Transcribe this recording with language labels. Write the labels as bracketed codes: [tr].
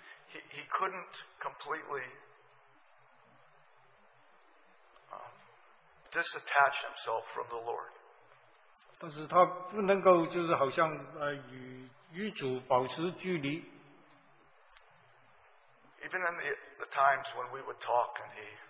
[en] He couldn't completely disattach himself from the Lord. [zh] 但是他不能够就是好像与主保持距离。 [en] Even in the times when we would talk and he